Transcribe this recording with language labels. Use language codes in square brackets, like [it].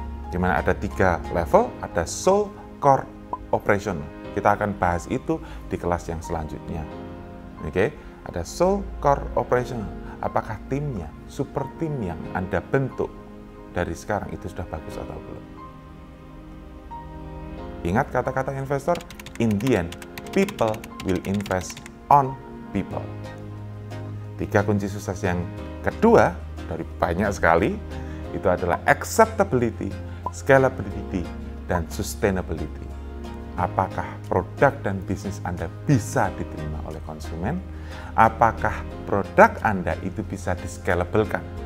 [id] Di mana ada 3 level, ada soul, core, operational. Kita akan bahas itu di kelas yang selanjutnya. Oke? Ada soul, core, operational. Apakah timnya, super team yang Anda bentuk dari sekarang itu sudah bagus atau belum? Ingat kata-kata investor, [en] in the end, people will invest on people. [id] Tiga kunci sukses yang kedua, dari banyak sekali, itu adalah acceptability, scalability, dan sustainability. Apakah produk dan bisnis Anda bisa diterima oleh konsumen? Apakah produk Anda itu bisa di-scalable-kan?